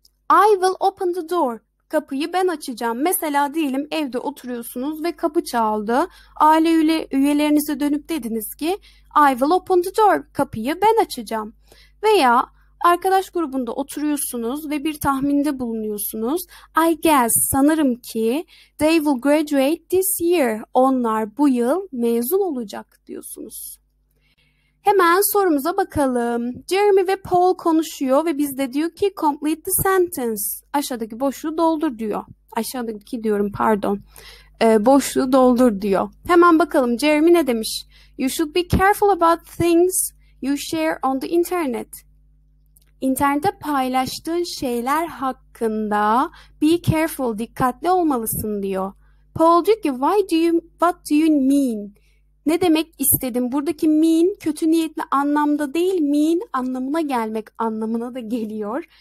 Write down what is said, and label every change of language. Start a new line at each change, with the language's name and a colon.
English: I will open the door.
Turkish: Kapıyı ben açacağım. Mesela diyelim evde oturuyorsunuz ve kapı çaldı. Aile üyelerinize dönüp dediniz ki
English: I will open the door.
Turkish: Kapıyı ben açacağım. Veya arkadaş grubunda oturuyorsunuz ve bir tahminde bulunuyorsunuz.
English: I guess,
Turkish: sanırım ki
English: they will graduate this year.
Turkish: Onlar bu yıl mezun olacak diyorsunuz. Hemen sorumuza bakalım. Jeremy ve Paul konuşuyor ve biz de diyor ki
English: complete the sentence.
Turkish: Aşağıdaki boşluğu doldur diyor. Aşağıdaki diyorum pardon. Boşluğu doldur diyor. Hemen bakalım Jeremy ne demiş?
English: You should be careful about things you share on the internet.
Turkish: İnternette paylaştığın şeyler hakkında
English: be careful,
Turkish: dikkatli olmalısın diyor. Paul diyor ki
English: what do you mean?
Turkish: Ne demek istedim? Buradaki mean kötü niyetli anlamda değil, mean anlamına gelmek anlamına da geliyor.